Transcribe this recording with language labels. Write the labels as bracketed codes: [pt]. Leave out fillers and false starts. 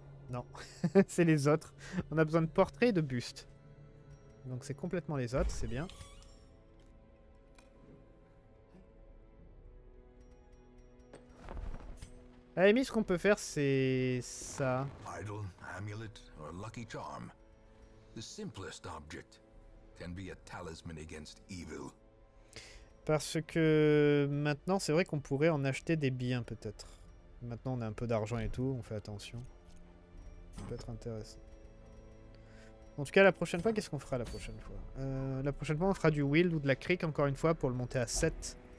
[fr] Non, c'est les autres. On a besoin de portraits et de bustes. Donc, c'est complètement les autres, c'est bien. À la limite, ce qu'on peut faire, c'est ça. [en] Idol, amulet, or lucky charm. The simplest object can be a talisman against evil. [fr] Parce que maintenant, c'est vrai qu'on pourrait en acheter des biens, peut-être. Maintenant, on a un peu d'argent et tout, on fait attention. Ça peut être intéressant. En tout cas, la prochaine fois, qu'est-ce qu'on fera la prochaine fois? La prochaine fois, on fera du wild ou de la creek, encore une fois, pour le monter à 7.